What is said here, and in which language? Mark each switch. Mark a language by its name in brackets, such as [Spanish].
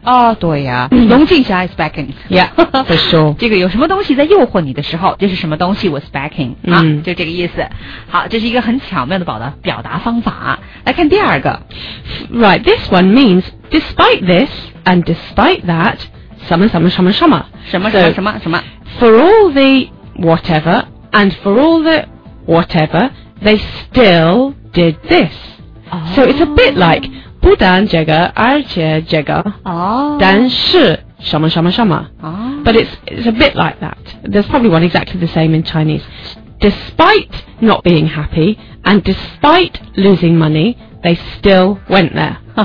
[Chinese] 哦对呀龙井峡 [English] is beckoning Yeah, for sure [Chinese] 这个有什么东西在诱惑你的时候就是什么东西 [English] was beckoning、 [Chinese] 就这个意思好这是一个很巧妙的表达方法来看第二个 [English] Right, this one means despite this and despite that, [Chinese] 什么什么什么什么什么什么什么。 [English] For all the whatever and for all the whatever, they still did this.、 Oh. So it's a bit like [Chinese] 不但这个而且这个、 [English] oh. [Chinese] 但是什么什么什么、oh. [English] But it's a bit like that. There's probably one exactly the same in Chinese. Despite not being happy and despite losing money, they still went there.